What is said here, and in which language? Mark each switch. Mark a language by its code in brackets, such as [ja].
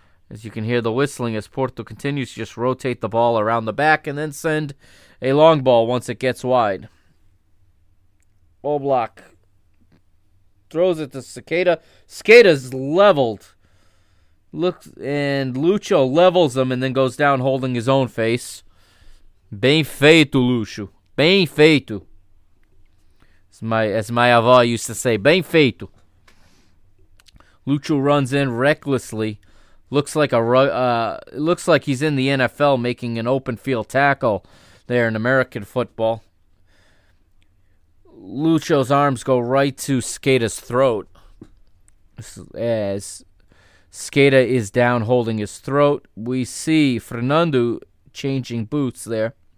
[en] As you can hear the whistling as Porto continues to just rotate the ball around the back and then send a long ball once it gets wide. Oblak throws it to Cicada. Cicada's leveled. Looks, and Lucho levels him and then goes down holding his own face. [pt] Bem feito, Lucho. Bem feito. [en] As my avó used to say, [pt] bem feito. [en] Lucho runs in recklessly. Looks like he's in the NFL making an open field tackle there in American football. Lucho's arms go right to Skata's throat. As Skata is down holding his throat, we see Fernando changing boots there.